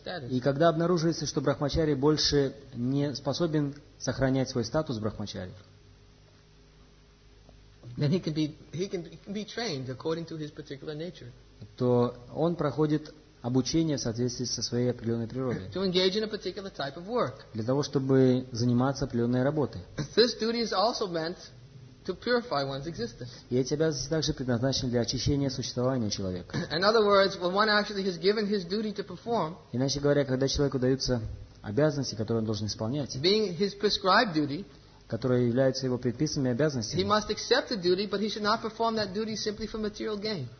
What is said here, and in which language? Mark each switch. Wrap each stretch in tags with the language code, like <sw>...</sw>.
<ru>и когда обнаруживается, что брахмачари больше не способен сохранять свой статус брахмачари,</ru> <en>then he can be trained according to his particular nature.</en> <ru>То он проходит обучение в соответствии со своей определенной природой.</ru> <en>To engage in a particular type of work.</en> <ru>Для того, чтобы заниматься определенной работой.</ru> <en>This duty is also meant to purify one's existence.</en> <ru>И эти обязанности также предназначены для очищения существования человека.</ru> <en>In other words, when one actually has given his duty to perform,</en> <ru>иначе говоря, когда человеку даются обязанности, которые он должен исполнять,</ru> <en>being his prescribed duty,</en> <ru>которые являются его предписанными обязанностями,</ru> <en>he must accept the duty, but he should not perform that duty simply for material gain.</en>